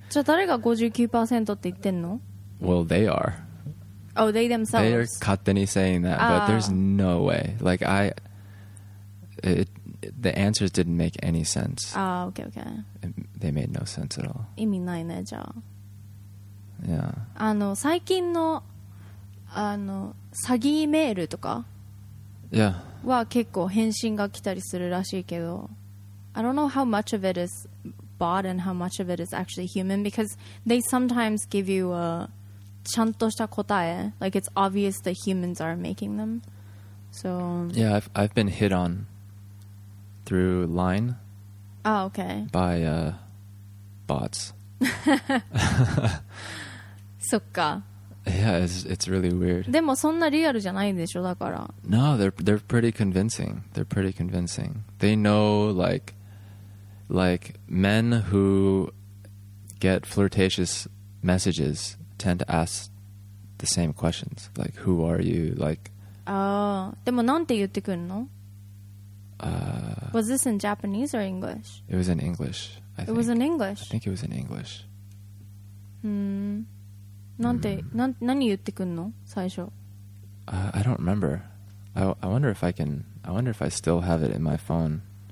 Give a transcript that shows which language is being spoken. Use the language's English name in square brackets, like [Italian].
[Japanese] じゃあ誰が 59% って言ってんの? [English] Well, they are. Oh, they themselves. They are [Japanese] 勝手に [English] saying that, but there's no way. Like, the answers didn't make any sense. Ah, okay, okay. They made no sense at all. [Japanese] 意味ないね、じゃあ。 [English] Yeah. [Japanese] あの、最近の、あの、詐欺メールとか? [English] Yeah. [Japanese] は結構返信が来たりするらしいけど、 [English] I don't know how much of it is... bot and how much of it is actually human, because they sometimes give you a [Japanese] ちゃんとした答え, [English] like it's obvious that humans are making them. So yeah, I've been hit on through Line. Ah, okay. By bots. [Japanese] そっか。 [English] Yeah, it's really weird. [Japanese] でもそんなリアルじゃないでしょ、だから。 [English] No, they're pretty convincing. They're pretty convincing. They know like men who get flirtatious messages tend to ask the same questions, like who are you, like. [Japanese] Ah, でもなんて言ってくるの? [English] Was this in Japanese or English? It was in English. It was in English. I think it was in English. [Japanese] なんて何言ってくるの最初? [English] I don't remember. I wonder if I can. I wonder if I still have it in my phone.